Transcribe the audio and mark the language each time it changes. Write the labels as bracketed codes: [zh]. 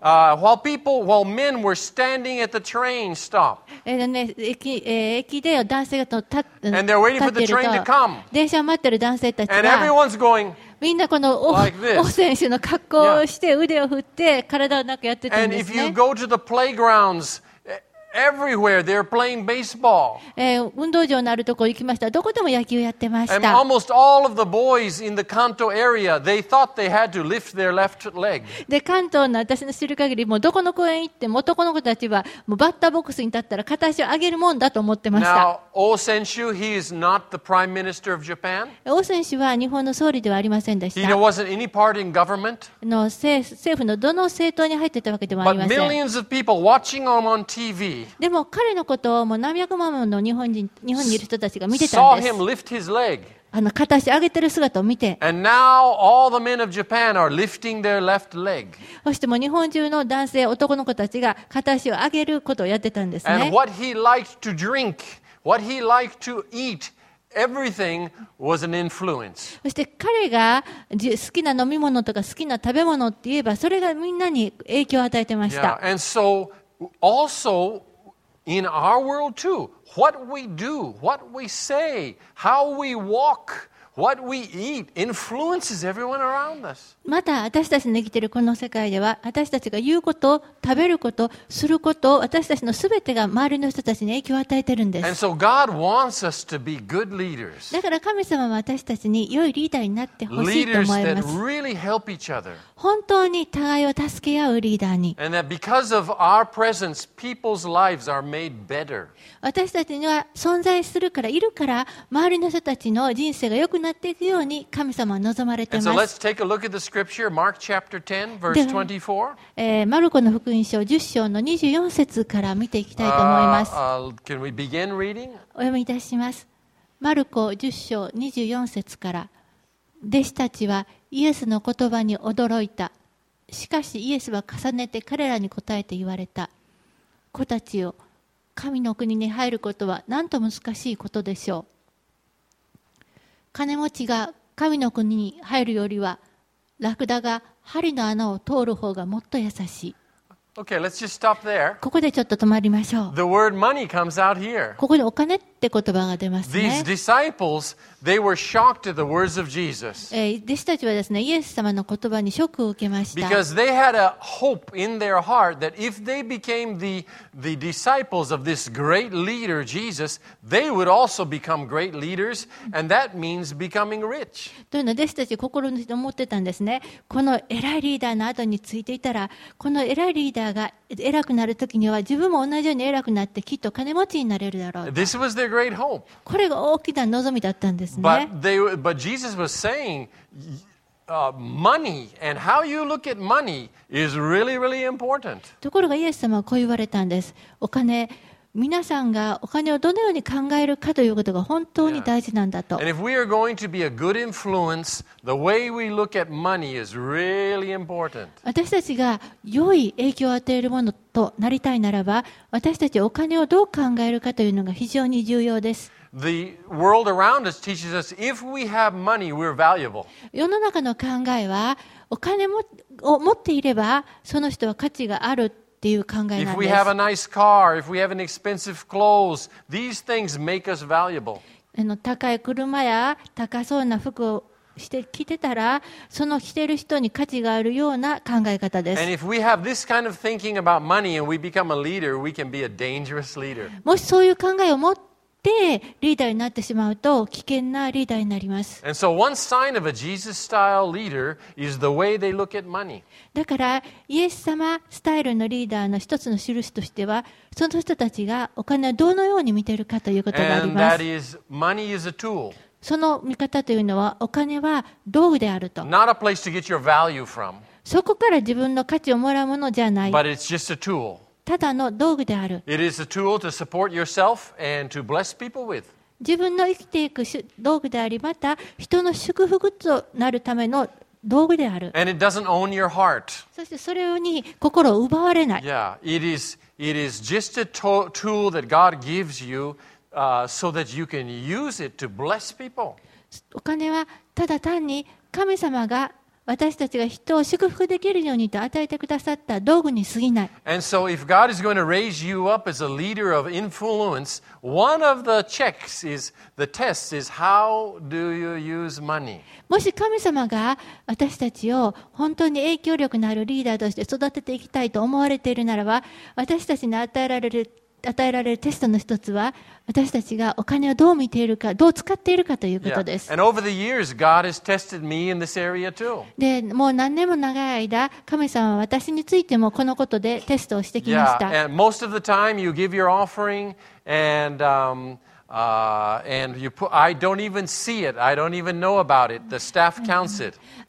[en] while men were standing at the train stop, [ja] 駅で男性が [en] and they're waiting for the train to come, [ja] 電車を待ってる男性たちが [en] and everyone's going, [ja] みんなこの王選手の格好をして腕を振って体をなんかやってたんですね。 [en] And if you go to the playgrounds, everywhere they're playing baseball. [ja] 運動場のあるところ行きました。どこでも野球やってました。 [en] And almost all of the boys in the Kanto area, they thought they had to lift their left leg. [ja] で、関東の私の知る限り、もうどこの公園行っても男の子たちはもうバッターボックスに立ったら片足を上げるもんだと思ってました。 [en] Now, 王選手, he is not the prime minister of Japan. [ja] 王選手は日本の総理ではありませんでした。 [en] He wasn't any part in government. [ja] 政府のどの政党に入ってたわけでもありません。 [en] But millions of people watching him on TV. [ja] でも彼のことをもう何百万もの日本にいる人たちが見てたんです。片足上げてる姿を見て。そしてもう日本中の男性、男の子たちが片足を上げることをやってたんですね。 [en] And what he liked to drink, what he liked to eat, everything was an influence. [ja] そして彼が好きな飲み物とか好きな食べ物って言えば、それがみんなに影響を与えてました。 [en] Yeah. And so,Also, in our world too, what we do, what we say, how we walk, what we eat influences everyone around us. [ja] また私たちの生きているこの世界では、私たちが言うこと、食べること、すること、私たちのすべてが周りの人たちに影響を与えているんです。 [en] And so God wants us to be good leaders. [ja] だから神様は私たちに良いリーダーになってほしいと思います。 [en] Leaders that really help each other. [ja] 本当に互いを助け合うリーダーに。 [en] And that because of our presence, people's lives are made better. [ja] 私たちには存在するから、いるから、周りの人たちの人生が良くなっていくように神様は望まれています。 [en] And so let's take a look at the scripture, Mark chapter 10, verse 24. [ja] マルコの福音書10章の24節から見ていきたいと思います。 [en] Can we begin reading? [ja] お読みいたします。マルコ10章24節から。弟子たちはイエスの言葉に驚いた。しかしイエスは重ねて彼らに答えて言われた。子たちよ、神の国に入ることはなんと難しいことでしょう。金持ちが神の国に入るよりは、ラクダが針の穴を通る方がもっと優しい。 [en] Okay, let's just stop there. [ja] ここでちょっと止まりましょう。 [en] The word money comes out here. [ja] ここでお金ってって言葉が出ますね。 [en] These disciples, they were shocked at the words of Jesus. [ja] 弟子たちはですね、イエス様の言葉にショックを受けました。 [en] Because they had a hope in their heart that if they became the disciples of this great leader, Jesus, they would also become great leaders, and that means becoming rich. [ja] というのは、弟子たち心に思ってたんですね。この偉いリーダーの後についていたら、この偉いリーダーが偉くなるときには、自分も同じように偉くなって、きっと金持ちになれるだろう。 [en] This was their great hope. [ja] これが大きな望みだったんですね。 [en] But Jesus was saying, money and how you look at money is really, really important. [ja] ところがイエス様はこう言われたんです。お金、皆さんがお金をどのように考えるかということが本当に大事なんだと。 [en] And if we are going to be a good influence, the way we look at money is really important. [ja] 私たちが良い影響を与えるものとなりたいならば、私たちお金をどう考えるかというのが非常に重要です。 [en] The world around us teaches us if we have money, we're valuable. [ja] 世の中の考えは、お金を持っていれば、その人は価値がある。 [en] If we have a nice car, if we have an expensive clothes, these things make us valuable. [ja] 高い車や高そうな服をして着てたら、その着てる人に価値があるような考え方です。 [en] And if we have this kind of thinking about money and we become a leader, we can be a dangerous leader. [ja] もしそういう考えを持ってリーダーになってしまうと、危険なリーダーになります。 [en] And so one sign of a Jesus-style leader is the way they look at money. [ja] だからイエス様スタイルのリーダーの一つの印としては、その人たちがお金をどのように見ているかということがあります。 [en] And that is, money is a tool. [ja] その見方というのは、お金は道具であると。 [en] Not a place to get your value from. [ja] そこから自分の価値をもらうものじゃない。 [en] But it's just a tool. [ja] ただの道具である。 [en] It is a tool to support yourself and to bless people with. [ja] 自分の生きていく道具であり、また人の祝福となるための道具である。 [en] And it doesn't own your heart. [ja] そしてそれに心を奪われない。 [en] Yeah, it is just a tool that God gives you, so that you can use it to bless people. [ja] お金はただ単に神様が私たちが人を祝福できるようにと与えてくださった道具に過ぎない。 [en] And so if God is going to raise you up as a leader of influence, one of the checks is the test is how do you use money? [ja] もし神様が私たちを本当に影響力のあるリーダーとして育てていきたいと思われているならば、私たちに与えられるテストの一つは、私たちがお金をどう見ているか、どう使っているかということです。 [en] Yeah. And over the years, God has tested me in this area too. [ja] で、もう何年も長い間、神様は私についてもこのことでテストをしてきました。 [en] Yeah. And most of the time, you give your offering and, and you put, I don't even see it. I don't even know about it. The staff counts it.